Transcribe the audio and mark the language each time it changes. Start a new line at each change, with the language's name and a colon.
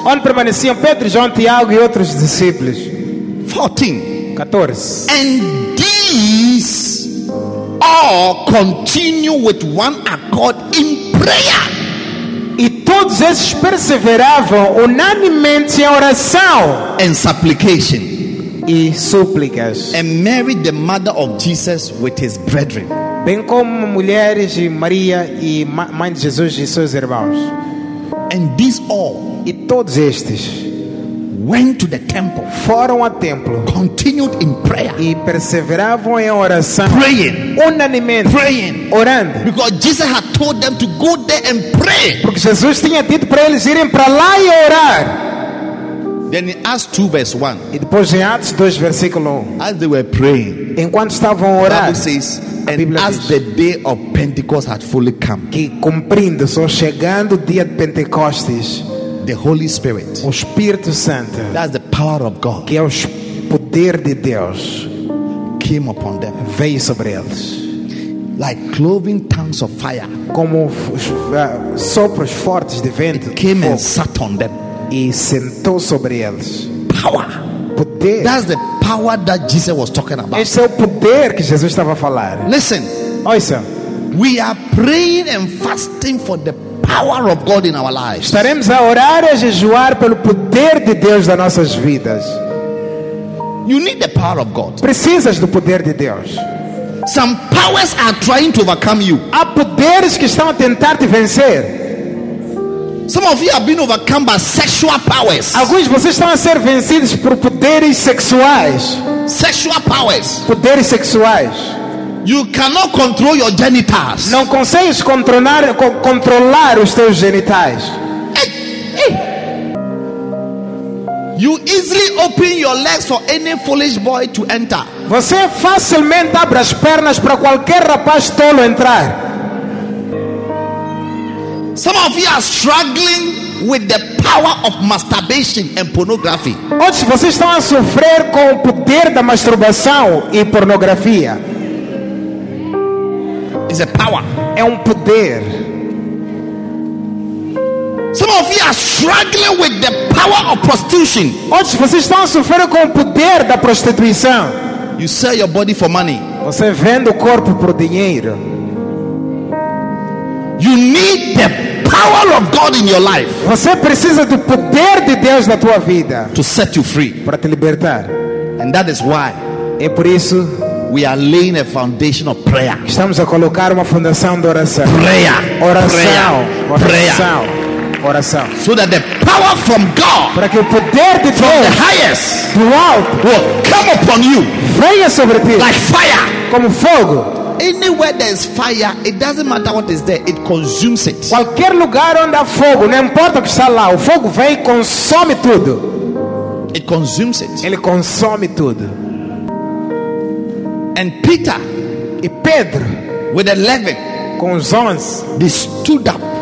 Portuguese: Onde permaneciam Pedro, João, Tiago e outros discípulos. 14. 14.
English: And these all continue with one accord in prayer.
Portuguese: E todos esses perseveravam unanimemente em oração.
English: And supplication.
Portuguese: E súplicas.
English: And Mary, the mother of Jesus, with his brethren.
Portuguese: Bem como mulheres de Maria e mãe de Jesus e seus irmãos.
English: And these all.
Portuguese: E todos estes.
English: Went to the temple.
Portuguese: Foram ao templo.
English: Continued in prayer.
Portuguese: E perseveravam em oração.
English: Praying.
Portuguese: Unanimemente.
English: Praying.
Portuguese: Orando.
English: Because Jesus had told them to go there and pray.
Portuguese: Porque Jesus tinha dito para eles irem para lá e orar.
English: Then in Acts 2 verse 1.
Portuguese: E depois em Atos 2 versículo 1.
English: As they were praying.
Portuguese: Enquanto estavam a orar.
English: The Bible says, and as the day of Pentecost had fully come.
Portuguese: Que cumprindo, só chegando o dia de Pentecostes.
English: The Holy Spirit.
Portuguese: O Espírito Santo.
English: That's the power of God.
Portuguese: Que é o poder de Deus.
English: Came upon them.
Portuguese: Veio sobre eles.
English: Like cloven tongues of fire.
Portuguese: Como sopros fortes de vento.
English: It came and sat on them.
Portuguese: E sentou sobre eles.
English: Power.
Portuguese: Poder.
English: That's the power that Jesus was talking about.
Portuguese: Esse é o poder que Jesus estava a falar.
English: Listen.
Portuguese: Ouça.
English: We are praying and fasting for the power of God in our lives.
Portuguese: Estaremos a orar e a jejuar pelo poder de Deus nas nossas vidas.
English: You need the power of God.
Portuguese: Precisas do poder de Deus.
English: Some powers are trying to overcome you.
Portuguese: Há poderes que estão a tentar te vencer.
English: Some of you have been overcome by sexual powers.
Portuguese: Alguns de vocês estão a ser vencidos por poderes sexuais.
English: Sexual powers.
Portuguese: Poderes sexuais.
English: You cannot control your genitals.
Portuguese: Não consegues controlar os teus genitais. Hey.
English: You easily open your legs for any foolish boy to enter.
Portuguese: Você facilmente abre as pernas para qualquer rapaz tolo entrar.
English: Some of you are struggling with the power of masturbation and pornography.
Portuguese: Onde vocês estão a sofrer com o poder da masturbação e pornografia?
English: It's a power.
Portuguese: É poder.
English: Some of you are struggling with the power of prostitution.
Portuguese: Onde vocês estão a sofrer com o poder da prostituição?
English: You sell your body for money.
Portuguese: Você vende o corpo por dinheiro.
English: You need the power of God in your life.
Portuguese: Você precisa do poder de Deus na tua vida.
English: To set you free.
Portuguese: Para te libertar.
English: And that is why.
Portuguese: É por isso.
English: We are laying a foundation of prayer.
Portuguese: Estamos a colocar uma fundação de oração.
English: Prayer.
Portuguese: Oração.
English: Prayer.
Portuguese: Oração. Oração.
English: So that the power from God,
Portuguese: para que o poder de
English: from
Portuguese: Deus,
English: the highest,
Portuguese: do alto,
English: will come upon you,
Portuguese: venha sobre ti,
English: like fire,
Portuguese: como fogo.
English: Anywhere there is fire, it doesn't matter what is there, it consumes it.
Portuguese: Qualquer lugar onde há fogo, não importa o que está lá, o fogo vem e consome tudo.
English: It consumes it.
Portuguese: Ele consome tudo.
English: And Peter,
Portuguese: e Pedro,
English: with 11,
Portuguese: com os 11,
English: they stood up,